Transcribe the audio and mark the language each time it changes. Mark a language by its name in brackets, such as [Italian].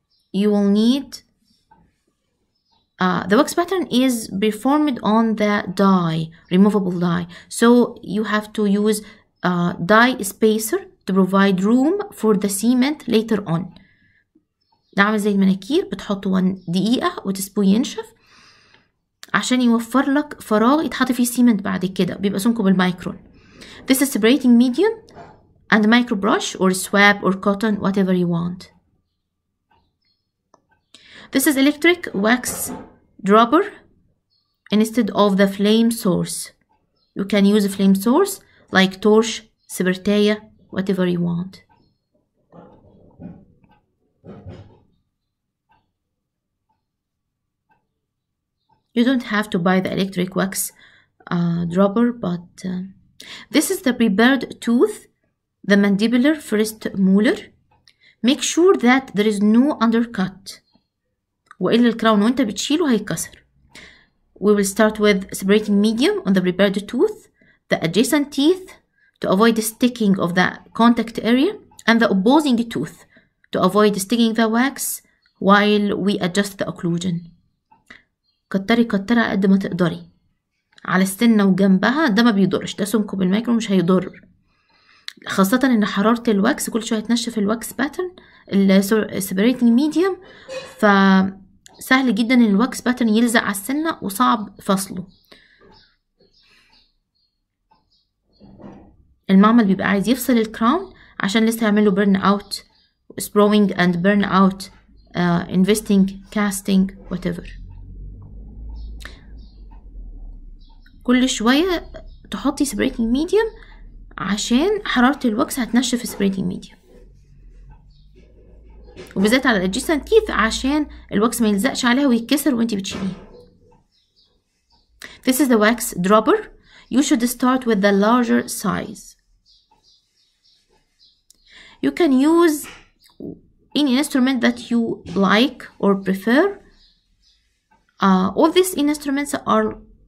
[English] You will need the wax pattern is performed on the die, removable die. So you have to use a die spacer to provide room for the cement later on. [Arabic] نعمل زي المناكير بتحط 1 دقيقة وتسبوه ينشف. عشان يوفر لك فراغ يتحط فيه سيمنت بعد كده بيبقى سمكه بالمايكرون. [English] This is separating medium and micro brush or swab or cotton, whatever you want. This is electric wax dropper instead of the flame source. You can use a flame source like torch, sibertaya, whatever you want. You don't have to buy the electric wax dropper, but this is the prepared tooth, the mandibular first molar. Make sure that there is no undercut. [Arabic] وإلا الكراون وانت بتشيله هيكسر. [English] We will start with separating medium on the prepared tooth, the adjacent teeth to avoid sticking of the contact area, and the opposing tooth to avoid sticking the wax while we adjust the occlusion. [Arabic] كتري كتري قد ما تقدري على السنة وجنبها ده ما بيضرش ده سمكه بالمايكرو مش هيضر خاصة ان حرارة الواكس كل شوية تنشف الواكس باترن السبريتنج ميديوم فسهل جدا ان الواكس باترن يلزق على السنة وصعب فصله المعمل بيبقى عايز يفصل الكراون عشان لسه يعمله برن اوت سبروينج اند برن اوت انفستينج كاستينج whatever كل شوية تحطي سبريتنج ميديوم عشان حرارة الوكس هتنشف سبريتنج ميديوم وبالذات على الأجسام كيف عشان الوكس ما يلزقش عليها ويتكسر وانت بتشيليه. [English] This is the wax dropper. You should start with the larger size. You can use any instrument that you like or prefer. All these instruments are